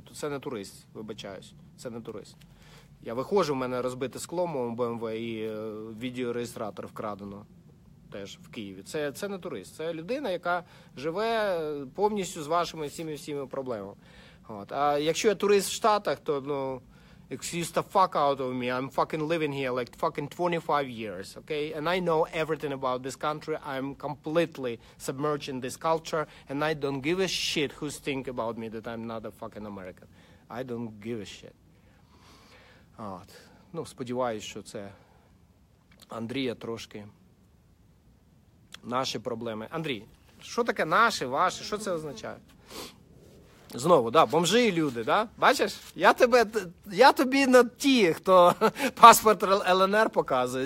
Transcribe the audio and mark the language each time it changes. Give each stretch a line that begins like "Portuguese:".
Ukrainian: То це не турист, вибачаюсь, це не турист. Я виходжу, в мене розбите скло, мов БМВ і відеореєстратор вкрадено теж в Києві. Це не турист, це людина, яка живе повністю з вашими всіми проблемами. От. А якщо я турист в Штатах, то, ну...
English: Excuse the fuck out of me. I'm fucking living here like fucking 25 years, okay? And I know everything about this country. I'm completely submerged in this culture. And I don't give a shit who think about me that I'm not a fucking American. I don't give a shit. От.
Ukrainian: Ну, сподіваюся, що це Андрія трошки наші проблеми. Андрій, що таке наші, ваші? Що це означає? Знову, да, бомжі і люди, да? Бачиш? Я тобі не ті, хто паспорт ЛНР показує.